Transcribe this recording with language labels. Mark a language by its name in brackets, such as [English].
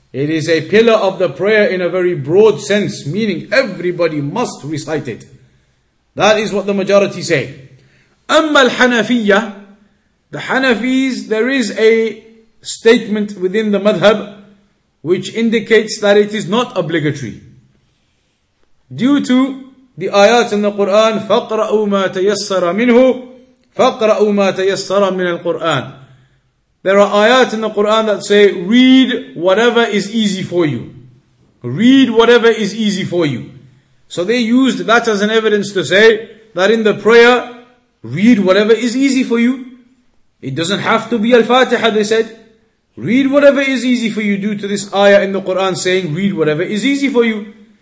[English] It is a pillar of the prayer in a very broad sense, meaning everybody must recite it. That is what the majority say. [Arabic] أَمَّا الْحَنَفِيَّةِ. [English] The Hanafis, there is a statement within the madhab which indicates that it is not obligatory. Due to the ayat in the Qur'an, [Arabic] فَقْرَأُوا مَا تَيَسَّرَ مِنْهُ فَقْرَأُوا مَا تَيَسَّرَ مِنَ الْقُرْآنِ. [English] There are ayat in the Qur'an that say, read whatever is easy for you. Read whatever is easy for you. So they used that as an evidence to say that in the prayer, read whatever is easy for you. It doesn't have to be Al-Fatiha, they said. Read whatever is easy for you, due to this ayah in the Quran saying, read whatever is easy for you.